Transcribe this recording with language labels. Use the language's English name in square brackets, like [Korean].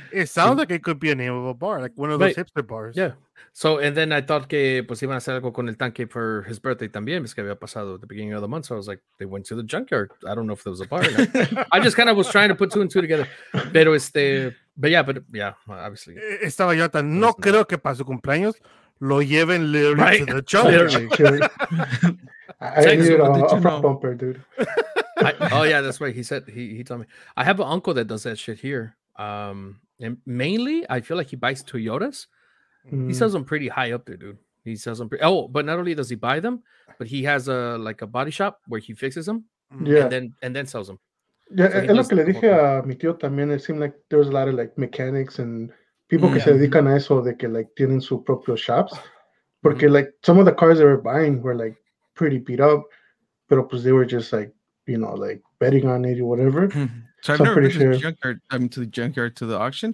[English] It sounds like it could be a name of a bar, like one of those hipster bars. Yeah. So, and then I thought [Spanish] que pues iban a hacer algo con el tanque [English] for his birthday [Spanish] también, es que había pasado [English] at the beginning of the month. So I was like, they went to the junkyard. I don't know if there was a bar. I just kind of was trying to put two and two together. [Spanish] Pero este, [English] but yeah, obviously. [Spanish] Estaba yo tan, no creo que para su cumpleaños lo lleven [English] literally right? To the junkyard. I need a front bumper, dude. That's right. He said, he told me. I have an uncle that does that shit here. And mainly, I feel like he buys Toyotas. He sells them pretty high up there, dude. He sells them but not only does he buy them, but he has a body shop where he fixes them. Yeah. And then sells them. [Spanish] Yeah, so es lo que le dije a mi tío también. [English] It seemed like there was a lot of like mechanics and people [Spanish] que se dedican a eso de que [English] like [Spanish] tienen su propio [English] shops. Porque like some of the cars they were buying were like pretty beat up, [Spanish] pero pues [English] they were just like, you know, like betting on it or whatever. So I've never been to the junkyard. I mean, to the junkyard, to the auction.